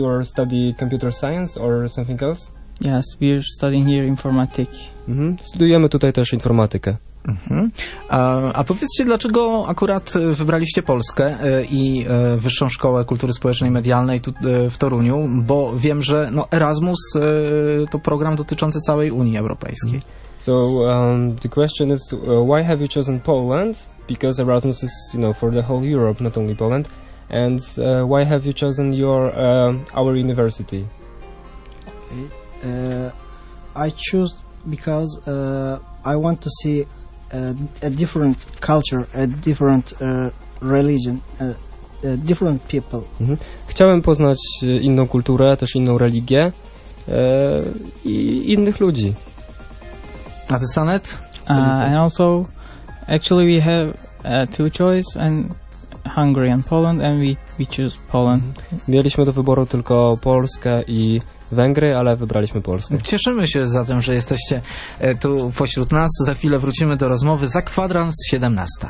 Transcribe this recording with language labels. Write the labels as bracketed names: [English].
[English] You are study computer science or something else? Yes, we are studying here informatik. [Polish] Studiujemy tutaj też informatykę. A powiedzcie, dlaczego akurat wybraliście Polskę i Wyższą Szkołę Kultury Społecznej i Medialnej tu, w Toruniu? Bo wiem, że no, Erasmus to program dotyczący całej Unii Europejskiej. [English] So the question is, why have you chosen Poland? Because Erasmus is, you know, for the whole Europe, not only Poland. And why have you chosen your our university? Okay. I choose because I want to see a different culture, a different religion, different people. [Polish] Chciałem poznać inną kulturę, też inną religię i innych ludzi. A ty, Sanet? [English] And also, actually we have two choice, and Hungary and Poland, and we choose Poland. [Polish] Mieliśmy do wyboru tylko Polskę i Węgry, ale wybraliśmy Polskę. Cieszymy się zatem, że jesteście tu pośród nas. Za chwilę wrócimy do rozmowy za kwadrans 17.